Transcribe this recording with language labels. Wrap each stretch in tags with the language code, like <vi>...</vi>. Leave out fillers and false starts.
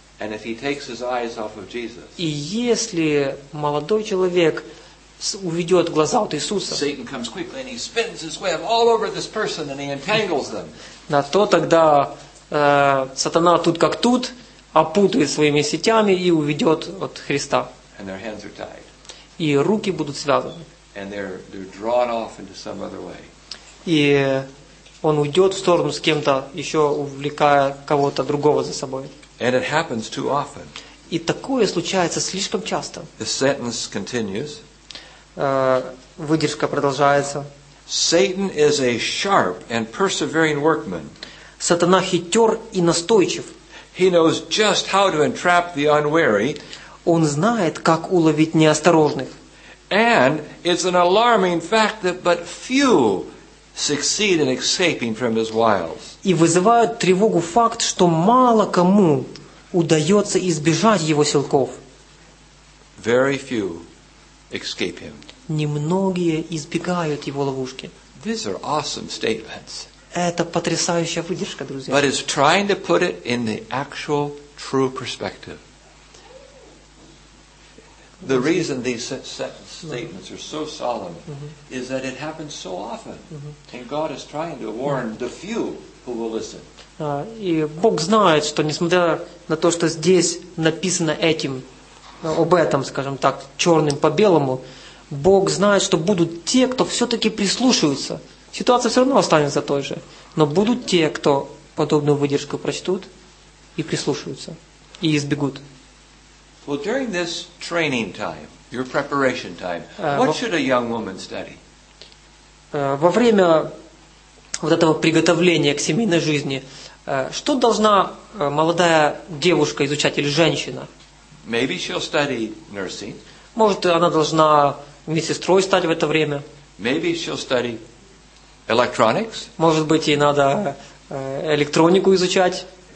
<en>And if he takes his eyes off of Jesus,</en> <ru>и если молодой человек уведет глаза от Иисуса,</ru> <en>Satan comes quickly and he spins his web all over this person and he entangles them.</en> <ru>На то тогда сатана тут как тут опутывает своими сетями и уведет от Христа.</ru> <en>And their hands are tied.</en> <ru>И руки будут связаны.</ru> <en>And they're drawn off into some other way.</en> <ru>И он уйдет в сторону с кем-то, еще увлекая кого-то другого за собой.</ru> <en>And it happens too often.</en> <ru>И такое случается слишком часто.</ru> <en>The sentence continues.</en> <ru>Выдержка продолжается.</ru> <en>Satan is a sharp and persevering workman.</en> <ru>Сатана хитер и настойчив.</ru> <en>He knows just how to entrap the unwary.</en> <ru>Он знает, как уловить неосторожных.</ru> <en>And it's an alarming fact that but few succeed in escaping from his wiles.</en> <ru>И вызывает тревогу факт, что мало кому удается избежать его силков.</ru> <en>Very few escape him.</en> <ru>Немногие избегают его ловушки.</ru> <en>These are awesome statements.</en> <ru>Это потрясающая выдержка, друзья.</ru> <en>But it's trying to put it in the actual true perspective. The reason these statements are so solemn is that it happens so often. And God is trying to warn the few who will listen.</en> <ru>И Бог знает, что несмотря на то, что здесь написано этим, об этом, скажем так, черным по белому, Бог знает, что будут те, кто все-таки прислушаются. Ситуация все равно останется той же. Но будут те, кто подобную выдержку прочтут и прислушаются, и избегут.</ru> <en>Well, during this training time, your preparation time, what should a young woman study?</en> <ru>Во время вот этого приготовления к семейной жизни, что должна молодая девушка изучать или женщина?</ru> <en>Maybe she'll study nursing.</en> <ru>Может, она должна медсестрой стать в это время?</ru> <en>Maybe she'll study electronics.</en> <ru>Может быть, ей надо электронику изучать?</ru>